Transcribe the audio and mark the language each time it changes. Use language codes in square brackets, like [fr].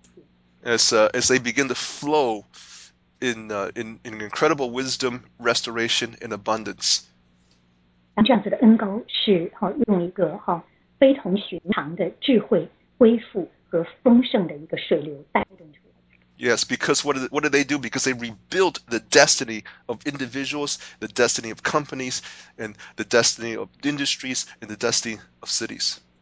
[en] they begin to flow in incredible wisdom, restoration, and abundance. [zh] 非同寻常的智慧恢复和丰盛的一个水流带动出来。 [en] Yes, because what do they do? Because they rebuild the destiny of individuals, the destiny of companies, and the destiny of industries, and the destiny of cities.